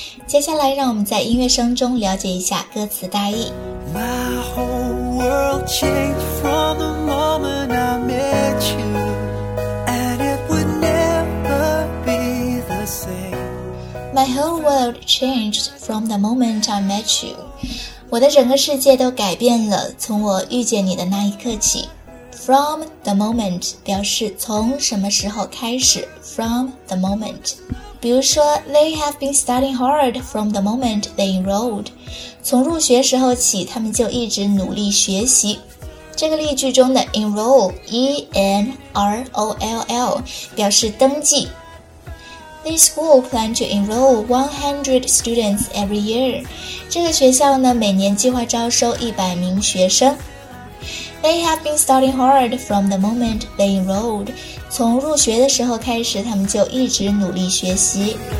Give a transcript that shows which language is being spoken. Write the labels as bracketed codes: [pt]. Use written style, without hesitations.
[zh] 接下来让我们在音乐声中了解一下歌词大意。 [en] My whole world changed from the moment I met you and it would never be the same. My whole world changed from the moment I met you. [zh] 我的整个世界都改变了，从我遇见你的那一刻起。 [en] From the moment [zh] 表示从什么时候开始。 [en] From the moment， [zh] 比如说 [en] They have been studying hard from the moment they enrolled， [zh] 从入学时候起他们就一直努力学习。这个例句中的 enroll, E-N-R-O-L-L, 表示登记。 [en] This school plan to enroll 100 students every year. [zh] 这个学校呢，每年计划招收100名学生。 [en] They have been studying hard from the moment they enrolled. [zh] 从入学的时候开始，他们就一直努力学习。